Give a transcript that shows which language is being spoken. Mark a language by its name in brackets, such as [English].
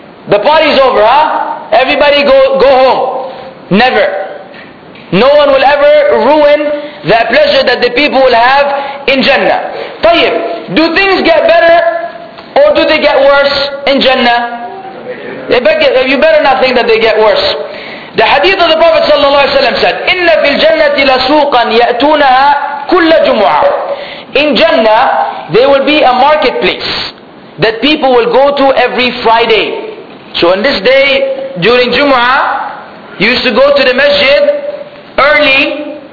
[English] The party's over, huh? Everybody go home. Never. No one will ever ruin that pleasure that the people will have in Jannah. Tayyib, do things get better or do they get worse in Jannah? You better not think that they get worse. The hadith of the Prophet ﷺ said, [Arabic] إِنَّ فِي الْجَنَّةِ لَسُوقًا يَأْتُونَهَا كُلَّ جُمُعًا. [English] In Jannah, there will be a marketplace that people will go to every Friday. So on this day, during Jumu'ah, you used to go to the masjid early.